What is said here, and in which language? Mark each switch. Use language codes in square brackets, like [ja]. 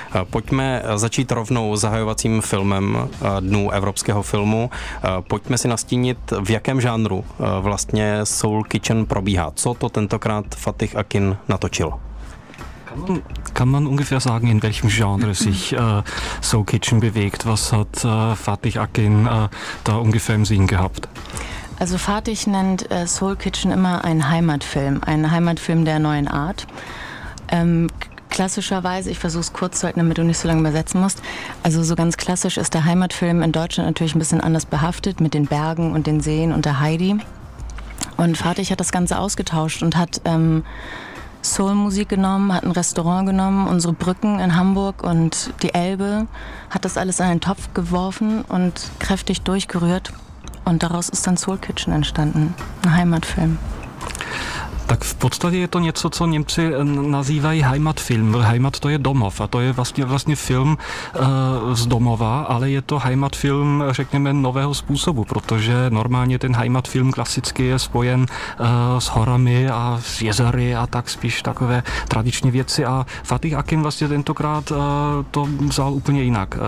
[cs] Pojďme začít rovnou zahajovacím filmem dnů evropského filmu. Pojďme si nastínit, v jakém žánru vlastně Soul Kitchen probíhá. Co to tentokrát Fatih Akin natočil? [de] Kann man ungefähr sagen, in welchem Genre sich Soul Kitchen bewegt? Was hat Fatih Akin da ungefähr im Sinn gehabt? Also Fatih nennt Soul Kitchen immer einen Heimatfilm. Einen Heimatfilm der neuen Art. Klassischerweise, ich versuche es kurz zu halten, damit du nicht so lange übersetzen musst. Also so ganz klassisch ist der Heimatfilm in Deutschland natürlich ein bisschen anders behaftet mit den Bergen und den Seen und der Heidi. Und Fatih hat das Ganze ausgetauscht und hat Soul-Musik genommen, hat ein Restaurant genommen, unsere Brücken in Hamburg und die Elbe, hat das alles in einen Topf geworfen und kräftig durchgerührt. Und daraus ist dann Soul Kitchen entstanden, ein Heimatfilm. [cs] Tak v podstatě je to něco, co Němci nazývají Heimatfilm. Heimat to je domov a to je vlastně film z domova, ale je to Heimatfilm, řekněme, nového způsobu, protože normálně ten Heimatfilm klasicky je spojen s horami a s jezery a tak spíš takové tradiční věci a Fatih Akin vlastně tentokrát to vzal úplně jinak.